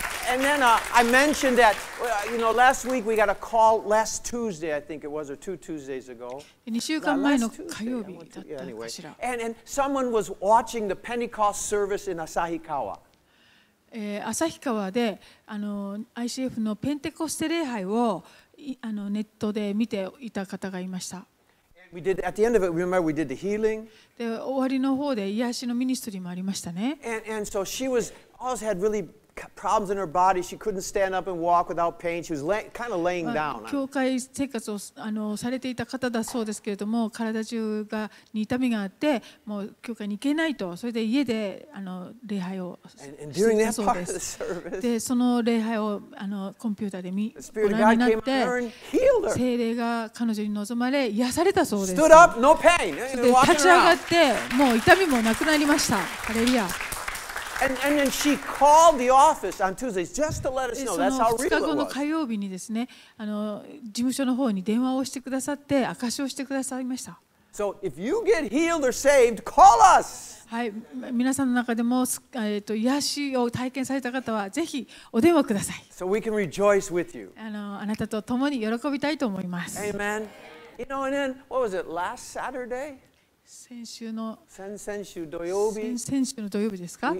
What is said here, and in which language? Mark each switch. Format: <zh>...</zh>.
<en>And then I mentioned that, you know, last week we got a call, last Tuesday, I think it was, or two Tuesdays ago.</en> <ja>2週間前の火曜日だったのかしら。</ja> <en>Anyway. And someone was watching the Pentecost service in Asahikawa.</en> <ja>旭川で、ICF のペンテコステ礼拝を、ネットで見ていた方がいました。</ja> <en>We did, at the end of it, remember we did the healing.</en> <ja>で、終わりの方で癒しのミニストリーもありましたね。</ja> <en>And so she was, always had really... problems in her body. She couldn't stand up and walk without pain. She was kind of laying down.</en> <ja>教会生活をされていた方だそうですけれども、体中が痛みがあって、もう教会に行けないと、それで家で礼拝をしていたそうです。で、その礼拝をコンピューターでご覧になって、聖霊が彼女に臨まれ癒されたそうです。</ja> <en>Stood up, no pain.</en> <ja>で、立ち上がって、もう痛みもなくなりました。ハレルヤ。</ja> <en>And then she called the office on Tuesday just to let us know. That's how real it was.</en> <ja>その2日後の火曜日にですね、事務所の方に電話をしてくださって、証しをしてくださいました。</ja> <en>So if you get healed or saved, call us.</en> <ja>はい、皆さんの中でも癒しを体験された方はぜひお電話ください。</ja> <en>So we can rejoice with you.</en> <ja>あなたと共に喜びたいと思います。</ja> <en>Amen. You know, and then what was it? Last Saturday.</en> <ja>先週の土曜日ですか。</ja>